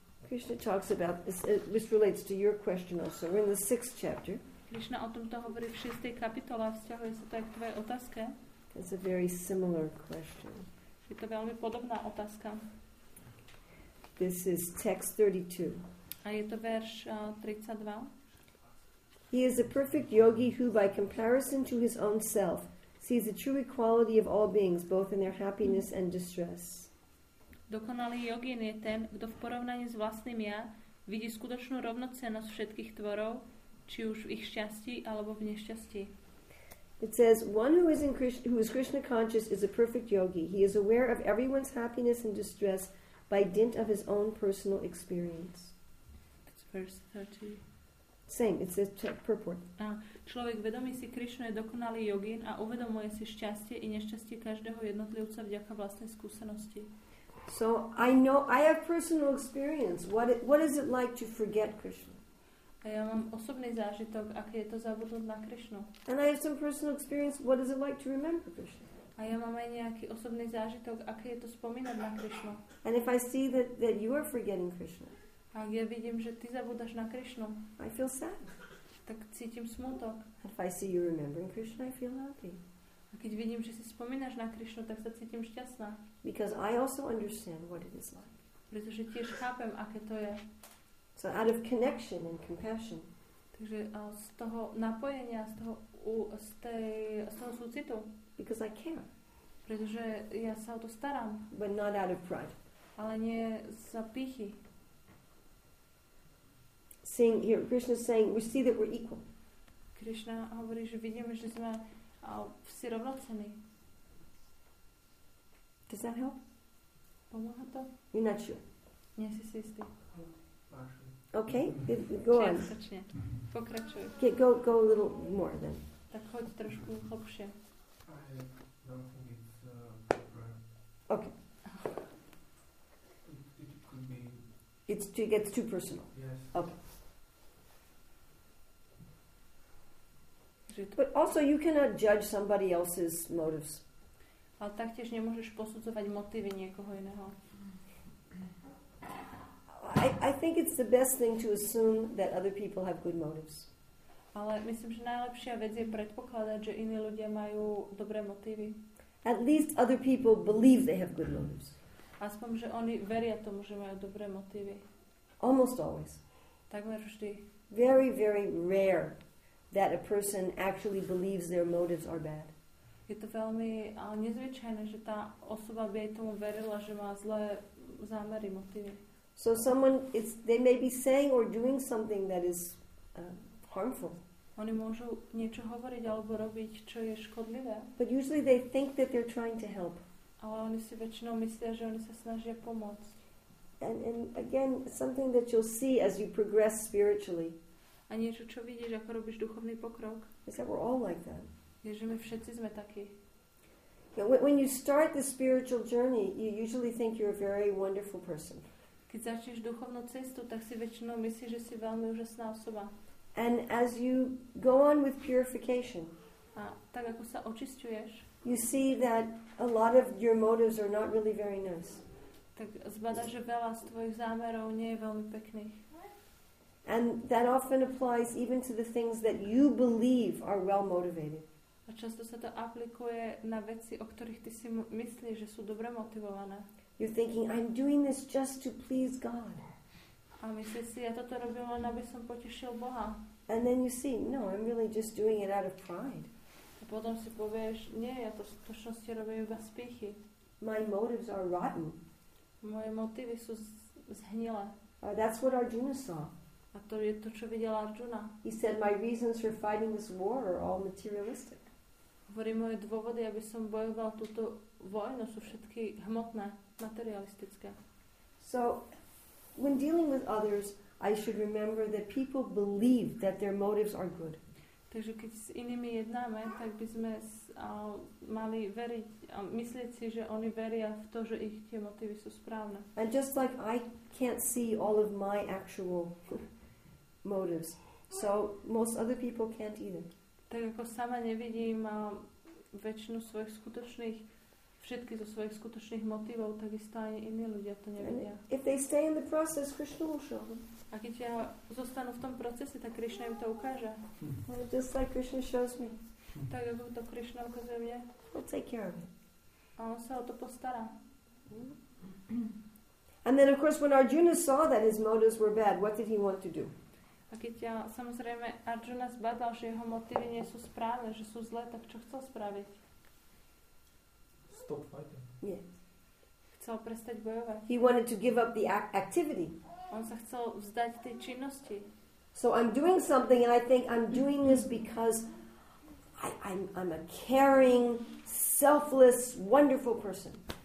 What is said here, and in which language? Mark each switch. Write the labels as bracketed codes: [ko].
[en] Krishna talks about this, this relates to your question also. We're in the sixth chapter. [sk] Krishna o tomto hovorí v šiestej kapitole, vzťahuje sa to aj k tvojej otázke. [en] It's a very similar question. [sk] Je to veľmi podobná otázka. [en] This is text 32. [sk] A je to verš 32. [en] He is a perfect yogi who, by comparison to his own self, sees the true equality of all beings, both in their happiness and distress. [sk] Dokonalý jogín je ten, kto v porovnaní s vlastným ja vidí skutočnú rovnocennosť všetkých tvorov, či už v ich šťastí alebo v nešťastí. [en] It says, one who is Krishna conscious is a perfect yogi. He is aware of everyone's happiness and distress by dint of his own personal experience. It's verse 30. Same, it's a purport. [sk] A človek vedomý si Krišnu je dokonalý jogín a uvedomuje si šťastie i nešťastie každého jednotlivca vďaka vlastnej skúsenosti. [en] So I know I have personal experience. What is it like to forget Krishna? [sk] A ja mám osobný zážitok, aké je to zabudnúť na Krišnu. [en] And I have some personal experience. What is it like to remember Krishna? [sk] A ja mám aj nejaký osobný zážitok, aké je to spomínať na Krišnu. [en] And if I see that you are forgetting Krishna, [sk] a ja vidím, že ty zabúdaš na Krišnu, [en] I feel sad. [sk] Tak cítim smutok. [en] If I see you remembering Krishna, I feel happy. [sk] A keď vidím, že si spomínaš na Krišnu, tak sa cítim šťastná. [en] Because I also understand what it is like. [sk] Pretože tiež chápem, aké to je. [en] So out of connection and compassion. [sk] Takže z toho napojenia, z toho súcitu. [en] Because I care. [sk] Pretože ja sa o to starám. [en] But not out of pride. [sk] Ale nie za pýchy. [en] Seeing here, Krishna is saying, we see that we're equal. [sk] Krishna hovorí, že vidíme, že sme si rovnocenní. [en] Does that help? [sk] Pomáha to? [en] You're not sure. [sk] Nie si istý. [en] Okay, go on. [sk] Začne. Pokračuj. [en] Okay, go a little more then. [sk] Tak choď trošku hlbšie. [en] I don't think it's okay. It could be. It gets too personal. Yes. Okay. But also you cannot judge somebody else's motives. [sk] Ale taktiež nemôžeš posudzovať motívy niekoho iného. [en] I think it's the best thing to assume that other people have good motives. [sk] Ale myslím, že najlepšia vec je predpokladať, že iní ľudia majú dobré motívy. [en] At least other people believe they have good motives. [sk] Aspoň, že oni veria tomu, že majú dobré motívy. [en] Almost always. [sk] Takmer vždy. [en] Very, very rare that a person actually believes their motives are bad. [sk] Je to veľmi nezvyčajné, že tá osoba by tomu verila, že má zlé zámery, motívy. [en] So someone they may be saying or doing something that is harmful. [sk] Oni môžu niečo hovoriť alebo robiť, čo je škodlivé. [en] But usually they think that they're trying to help. [sk] Ale oni si väčšinou myslia, že oni sa snažia pomôcť. [en] And again, something that you'll see as you progress spiritually. [sk] A niečo, čo vidíš, ako robíš duchovný pokrok. [en] Is that we're all like that. [sk] Je, že my všetci sme takí. [en] When you start the spiritual journey, you usually think you're a very wonderful person. [sk] Keď začneš duchovnú cestu, tak si väčšinou myslíš, že si veľmi úžasná osoba. [en] And as you go on with purification, [sk] a tak ako sa očisťuješ, [en] you see that a lot of your motives are not really very nice. [sk] Tak zbadaš, že veľa z tvojich zámerov nie je veľmi pekných. [en] And that often applies even to the things that you believe are well motivated. [sk] A často sa to aplikuje na veci, o ktorých ty si myslíš, že sú dobre motivované. [en] You're thinking, I'm doing this just to please God. [sk] A myslíš si, ja toto robím len, aby som potešil Boha. [en] And then you see, no, I'm really just doing it out of pride. [sk] A potom si povieš, nie, ja to v skutočnosti robím iba z pýchy. [en] My motives are rotten. [sk] Moje motivy sú zhnilé. [en] That's what Arjuna saw. [sk] A to je to, čo videl Arjuna. [en] He said, my reasons for fighting this war are all materialistic. [sk] Hovorí, moje dôvody, aby som bojoval túto vojnu, sú všetky hmotné, materialistické. [en] So, when dealing with others, I should remember that people believe that their motives are good. [sk] Takže keď s inými jednáme, tak by sme mali veriť a myslieť si, že oni veria v to, že ich tie motívy sú správne. [en] And just like I can't see all of my actual motives, so most other people can't either. [sk] Tak ako sama nevidím väčšinu svojich skutočných, všetky zo svojich skutočných motivov, tak isto ani iní ľudia to nevidia. [en] And if they stay in the process, Krishna will show them. [sk] A keď ja zostanú v tom procese, tak Krishna im to ukáže. [en] Just like Krishna shows me. [sk] Tak ako to Krishna ukazuje mne. [en] He'll take care of it. [sk] A on sa o to postará. [en] And then of course when Arjuna saw that his motives were bad, what did he want to do? [sk] A keď ja samozrejme Arjuna zbadal, že jeho motívy nie sú správne, že sú zlé, tak čo chcel spraviť? [en] Stop fighting. Yes. [sk] Chcel prestať bojovať. [en] He wanted to give up the activity. [sk] On sa chcel vzdať tej činnosti. [en] So I'm doing something and I think I'm doing this because I'm a caring, selfless, wonderful person.